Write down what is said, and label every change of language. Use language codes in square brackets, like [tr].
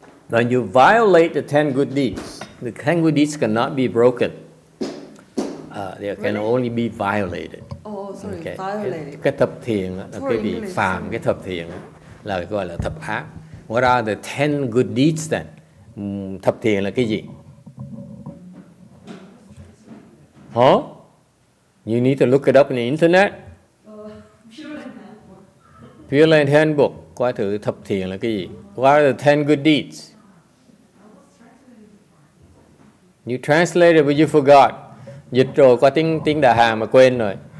[en] When you violate the 10 good deeds, the 10 good deeds cannot be broken. They can only be violated. Oh, sorry, okay. Violated. [vi] Cái thập thiện là cái bị phạm cái thập thiện là gọi là thập ác. [en] What are the 10 good deeds then? [vi] Thập thiện là cái gì? Huh? [en] You need to look it up in the internet. Pure Land Handbook. [vi] Qua thử thập thiện là cái gì? [en] What are the 10 good deeds? You translated but you forgot. [vi] Dịch rồi qua tiếng Đà Hàm mà quên rồi.